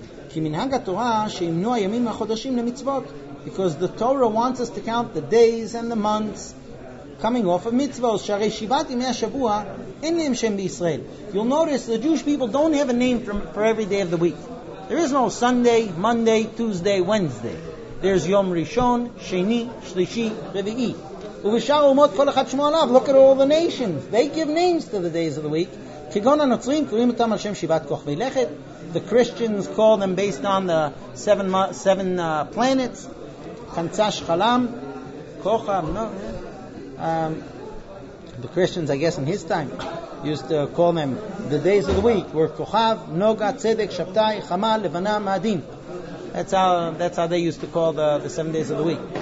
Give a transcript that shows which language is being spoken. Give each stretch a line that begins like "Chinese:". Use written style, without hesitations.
Hebrew: כמנהג התורה שימנו הימים החודשים למצוות.
English: Because the Torah wants us to count the days and the months coming off of mitzvot.
Hebrew: שהרי שבעת ימי השבוע אין להם שם בישראל.
English: You'll notice the Jewish people don't have a name for every day of the week. There is no Sunday, Monday, Tuesday, Wednesday. There's Yom Rishon, Sheni, Shlishi, Revi'i.
Hebrew: ובשאר אומות כל אחד שמו עליו.
English: Look at all the nations. They give names to the days of the week.
Hebrew: כגון הנוצרים קוראים אותם על שם שבעת כוכבי לכת.
English: The Christians call them based on the seven planets. חנצש חלם, כוכב, no. The Christians, I guess, in his time used to call them the days of the week were Kochav, Noga, Tzedek, Shabtai, Chamal, Levana, Ma'adin. That's how they used to call the 7 days of the week.